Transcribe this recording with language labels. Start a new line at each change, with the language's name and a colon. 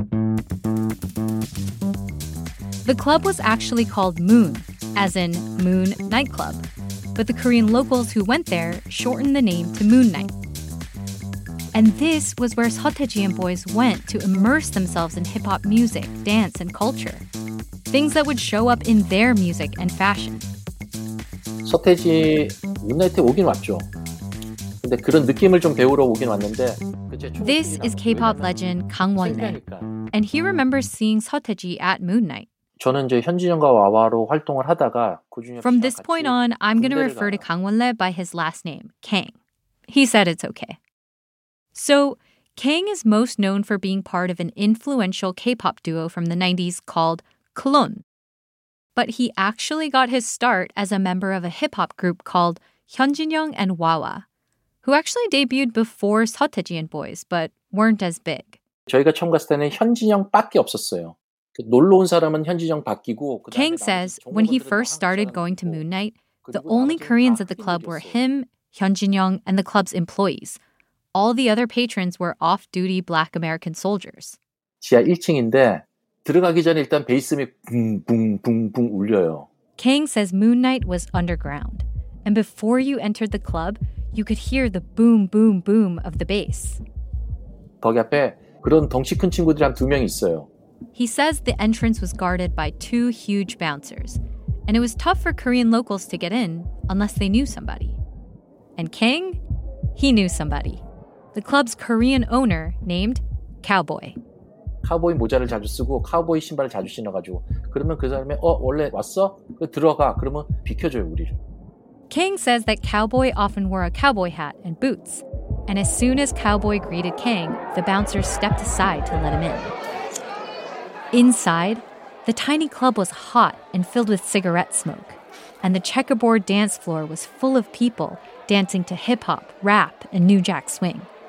English: The club was actually called Moon, as in Moon Nightclub, but the Korean locals who went there shortened the name to Moon Knight. And this was where Seotaejian boys went to immerse themselves in hip-hop music, dance, and culture. Things that would show up in their music and fashion.
Korean: 서태지 문나이트 오긴 왔죠. 근데 그런 느낌을 좀 배우러 오긴 왔는데.
English: This is K-pop legend Kang Won-ne, and he remembers seeing 서태지 at Moon Knight.
Korean: 저는 이제 현진영과 와와로 활동을 하다가
English: From this point on, I'm going to refer to Kang Won-ne by his last name, Kang. He said it's okay. So, Kang is most known for being part of an influential K-pop duo from the 90s called Clone. But he actually got his start as a member of a hip-hop group called Hyunjinyoung and Wawa, who actually debuted before Seotaejian Boys, but weren't as big.
Korean: 저희가 처음 갔을 때는 현진영밖에 없었어요. 그 놀러 온 사람은 현진영 바뀌고
English: Kang says when he first started going to Moon Knight, the only Koreans at the club were him, Hyunjinyoung, and the club's employees. All the other patrons were off-duty black American soldiers.
Korean: 지하 1층인데 들어가기 전에 일단 베이스맨 붕붕붕붕 울려요.
English: Kang says Moon Knight was underground. And before you entered the club, you could hear the boom, boom, boom of the bass.
Korean: 거기 앞에 그런 덩치 큰 친구들이 한 두 명 있어요.
English: He says the entrance was guarded by two huge bouncers. And it was tough for Korean locals to get in unless they knew somebody. And Kang, he knew somebody. The club's Korean owner named Cowboy.
Korean: 카우보이 모자를 자주 쓰고 카우보이 신발을 자주 신어가지고 그러면 그 사람이 원래 왔어? 그래, 들어가. 그러면 비켜줘요, 우리를.
English: Kang says that Cowboy often wore a cowboy hat and boots. And as soon as Cowboy greeted Kang, the bouncers stepped aside to let him in. Inside, the tiny club was hot and filled with cigarette smoke. And the checkerboard dance floor was full of people dancing to hip-hop, rap, and New Jack Swing.